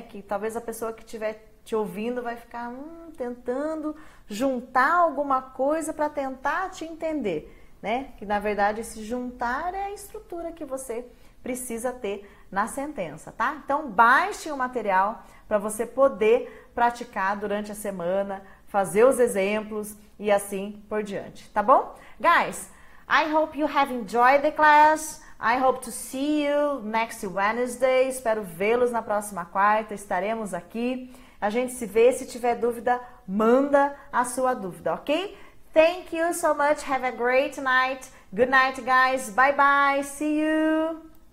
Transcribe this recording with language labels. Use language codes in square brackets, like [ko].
[pt] Que talvez a pessoa que estiver te ouvindo vai ficar tentando juntar alguma coisa para tentar te entender, né? Que na verdade, se juntar é a estrutura que você precisa ter na sentença, tá? Então, baixe o material para você poder praticar durante a semana, fazer os exemplos e assim por diante, tá bom? [en] Guys, I hope you have enjoyed the class. I hope to see you next Wednesday. [pt] Espero vê-los na próxima quarta. Estaremos aqui. A gente se vê. Se tiver dúvida, manda a sua dúvida, ok? [en] Thank you so much. Have a great night. Good night, guys. Bye bye. See you.